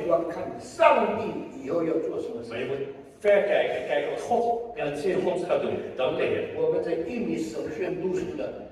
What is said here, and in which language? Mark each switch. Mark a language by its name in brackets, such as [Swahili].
[Chinese] 的眼光，看上帝以后要做什么事。 [Dutch] Maar je moet ver kijken, kijken wat God in de toekomst gaat doen. Dan kun je. [Chinese] 我们在印尼神学院读书的。